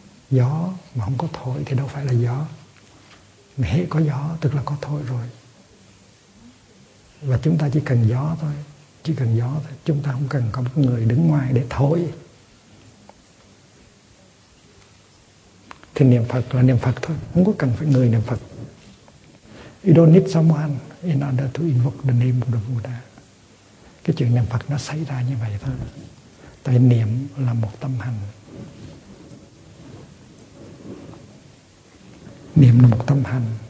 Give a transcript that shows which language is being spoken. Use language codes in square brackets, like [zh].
[vi] gió mà không có thổi thì đâu phải là gió. Mà hễ có gió tức là có thổi rồi. Và chúng ta chỉ cần gió thôi, chỉ cần gió thôi. Chúng ta không cần có một người đứng ngoài để thổi. Thì niệm Phật là niệm Phật thôi, không có cần phải người niệm Phật. [en] You don't need someone in order to invoke the name of the Buddha. [vi] Cái chuyện niệm Phật nó xảy ra như vậy thôi. Tại niệm là một tâm hành. Niệm là một tâm hành.